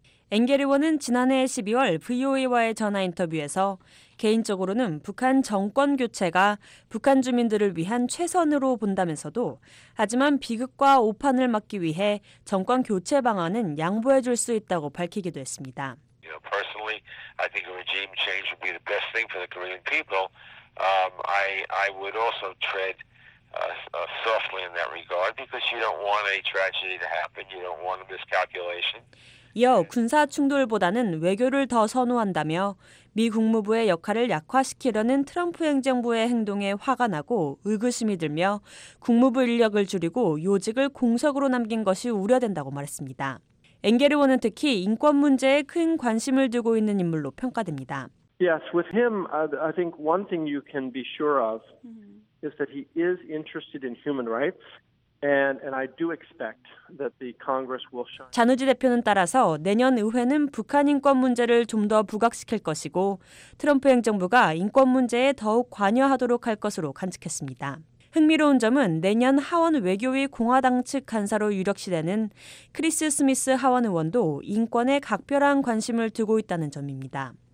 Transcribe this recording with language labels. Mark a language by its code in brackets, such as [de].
[ko] 앵겔 의원은 지난해 12월 VOA와의 전화 인터뷰에서 개인적으로는 북한 정권 교체가 북한 주민들을 위한 최선으로 본다면서도 하지만 비극과 오판을 막기 위해 정권 교체 방안은 양보해 줄 수 있다고 밝히기도 했습니다. [en] Personally, I think a regime change would be the best thing for the Korean people. I would also tread softly in that regard because you don't want a tragedy to happen. You don't want a miscalculation. [ko] 이어 군사 충돌보다는 외교를 더 선호한다며 미 국무부의 역할을 약화시키려는 트럼프 행정부의 행동에 화가 나고 의구심이 들며 국무부 인력을 줄이고 요직을 공석으로 남긴 것이 우려된다고 말했습니다. 앵겔 의원은 특히 인권 문제에 큰 관심을 두고 있는 인물로 평가됩니다. [en] Yes, with him, I think one thing you can be sure of is that he is interested in human rights, and I do expect that the Congress will shine. [ko] 자누지 대표는 따라서 내년 의회는 북한 인권 문제를 좀 더 부각시킬 것이고 트럼프 행정부가 인권 문제에 더욱 관여하도록 할 것으로 관측했습니다. 흥미로운 점은 내년 하원 외교위 공화당 측 간사로 유력시되는 크리스 스미스 하원 의원도 인권에 각별한 관심을 두고 있다는 점입니다.